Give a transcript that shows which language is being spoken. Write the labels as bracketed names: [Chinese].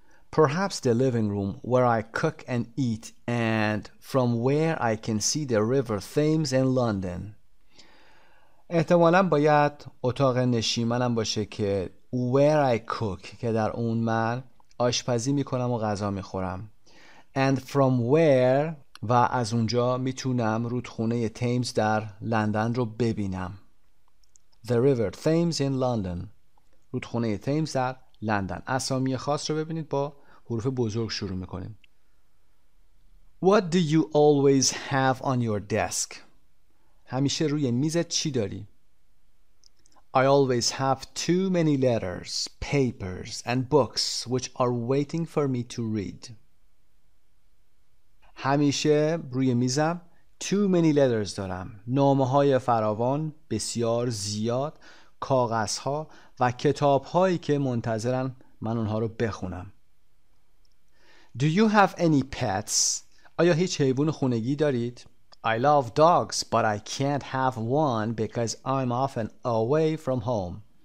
[English] Perhaps the living room where I cook and eat and from where I can see the river Thames in London. [Persian] احتمالاً باید اتاق نشیمنم باشه که [English] where I cook [Persian] که در اون من آشپزی میکنم و غذا میخورم. [English] And from where [Persian] و از اونجا میتونم رودخونه تیمز در لندن رو ببینم. [English] The river Thames in London. [Persian] رودخونه تیمز در لندن. اسامی خاص رو ببینید، با حروف بزرگ شروع میکنیم. [English] What do you always have on your desk؟ [Persian] همیشه روی میزت چی داری؟ [English] I always have too many letters, papers and books which are waiting for me to read. [Persian] همیشه روی میزم [English] too many letters [Persian] دارم. نامه‌های فراوان، بسیار زیاد، کاغذها و کتاب‌هایی که منتظرن من اونها رو بخونم. [English] Do you have any pets؟ [Persian] آیا هیچ حیوان خانگی دارید؟ [English] I love dogs, but I can't have one because I'm often away from home.